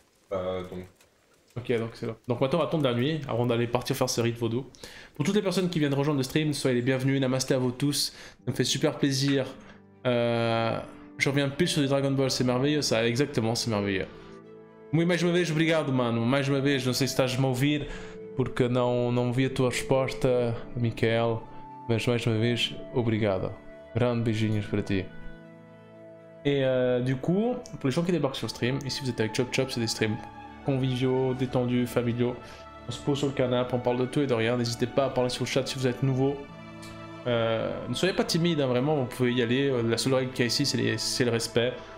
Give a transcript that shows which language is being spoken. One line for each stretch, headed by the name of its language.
French: Bah, donc. Ok, donc c'est là. Donc maintenant, on va attendre la nuit avant d'aller partir faire ce rite vaudou. Pour toutes les personnes qui viennent rejoindre le stream, soyez les bienvenus. Namasté à vous tous. Ça me fait super plaisir. Je reviens pile sur du Dragon Ball. C'est merveilleux, ça. Exactement, c'est merveilleux.
Portuguese: Muito mais uma vez, obrigado, mano. Mais uma vez, não sei se estás a me ouvir, porque não vi a tua resposta, Mikael. Mas mais uma vez, obrigado. Grande beijinhos para ti.
French: Et du coup, pour les gens qui débarquent sur le stream, ici vous êtes avec Chop Chop, c'est des streams conviviaux, détendus, familiaux. On se pose sur le canapé, on parle de tout et de rien. N'hésitez pas à parler sur le chat si vous êtes nouveau. Ne soyez pas timide, hein, vraiment, vous pouvez y aller. La seule règle qu'il y a ici, c'est le respect.